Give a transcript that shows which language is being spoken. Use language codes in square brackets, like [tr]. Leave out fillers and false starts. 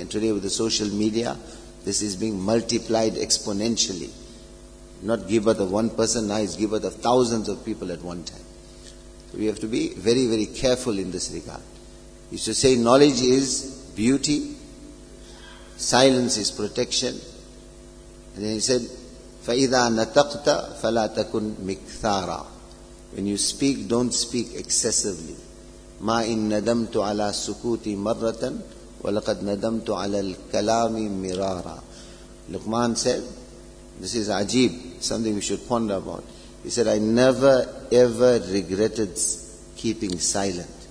[en] And today with the social media, this is being multiplied exponentially. Not ghibat of one person, now it's ghibat of thousands of people at one time. So we have to be very, very careful in this regard. You should say knowledge is beauty, silence is protection. And then he said, [ar] فَإِذَا نَتَقْتَ فَلَا تَكُنْ مِكْثَارًا. [en] When you speak, don't speak excessively. [ar] مَا إِن نَدَمْتُ عَلَى سُكُوتِ مَرَّةً وَلَقَدْ نَدَمْتُ عَلَى الْكَلَامِ مِرَارًا. [en] Luqman said, this is ajeeb, something we should ponder about. He said, I never ever regretted keeping silent.